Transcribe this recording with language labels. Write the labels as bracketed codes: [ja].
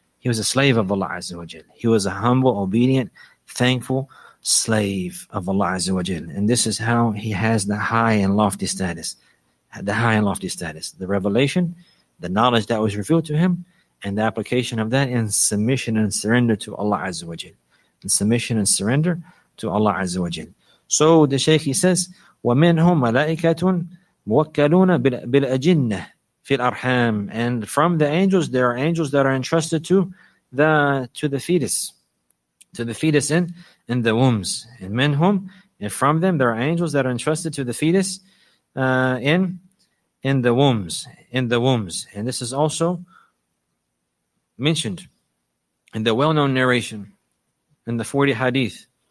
[en] He was a slave of Allah Azza wa Jal. He was a humble, obedient, thankful slave of Allah Azza wa Jal. And this is how he has the high and lofty status. The high and lofty status. The revelation, the knowledge that was revealed to him, and the application of that in submission and surrender to Allah Azza wa Jal. In submission and surrender to Allah Azza wa Jal. So the Shaykh, he says, [ar] وَمِنْهُمْ مَلَائِكَةٌ مُوَكَّلُونَ بِالْأَجِنَّةِ فِي الْأَرْحَامِ. [en] And from the angels, there are angels that are entrusted to the fetus in the wombs. And مِنْهُمْ, and from them, there are angels that are entrusted to the fetus in the wombs. And this is also mentioned in the well-known narration in the 40 hadith.